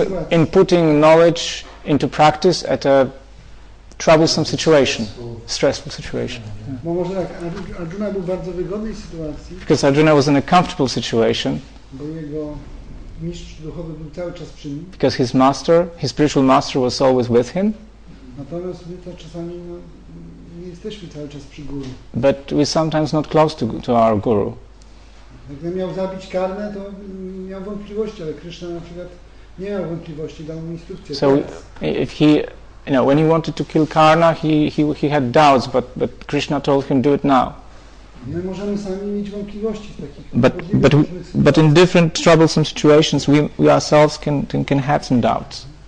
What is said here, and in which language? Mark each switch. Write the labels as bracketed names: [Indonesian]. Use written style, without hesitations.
[English] In putting knowledge into practice at a troublesome situation, stressful situation. [Polish] Arjuna był w bardzo wygodnej sytuacji. [English] Because Arjuna was in a comfortable situation. [Polish] Bo jego mistrz duchowy był cały czas przy nim. [English] Because his master, his spiritual master, was always with him. [Polish] Natomiast my to czasami nie jesteśmy cały czas przy guru. [English] But we're sometimes not close to our guru. [Polish] Jakbym miał zabić karnę, to miał wątpliwości, ale Krishna na przykład nie miał wątpliwości, dał mu instrukcję. [English] So if he, you know, when he wanted to kill Karna, he had doubts, but Krishna told him, do it now. [Polish] My możemy sami mieć wątpliwości w takich [English] But in different troublesome situations, we ourselves can have some doubts.